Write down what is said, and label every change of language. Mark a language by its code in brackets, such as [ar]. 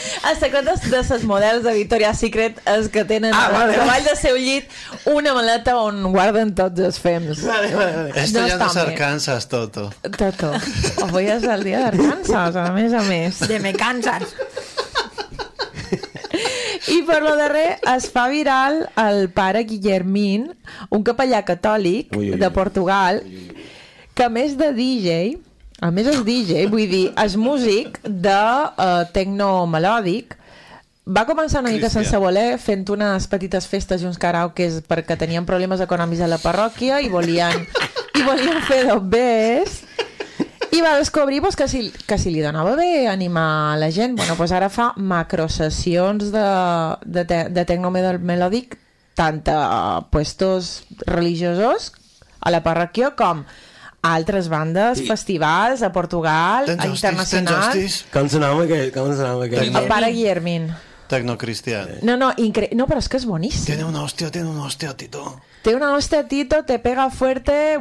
[ca] El secret de ses models de Victoria's Secret és que tenen al treball del seu llit una maleta on guarden tots els fems. [es] Esto ya no es Arkansas, Toto. [ca] Toto, avui és el dia d'Arkansas, a més. [es] De me cansas. [ca] I per lo darrer, es fa viral el pare Guillermín, un capellà catòlic de Portugal, que a més de DJ... A més, és DJ, vull dir, és músic de tecno melòdic. Va començar una mica sense voler, fent unes petites festes i uns karaokes perquè tenien problemes econòmics a la parròquia i volien fer dobbers. I va descobrir pues, que si li donava bé animar a la gent. Bueno, pues ara fa macrosessions de tecno melòdic, tant a puestos religiosos a la parròquia com... altres bandes, festivals a Portugal, a internacional. Com s'anava aquell? El pare Guillermín. Tecnocristià. No, però és que és boníssim. Té una hòstia, Tito. Té una hòstia, Tito, [es] te pega fuerte.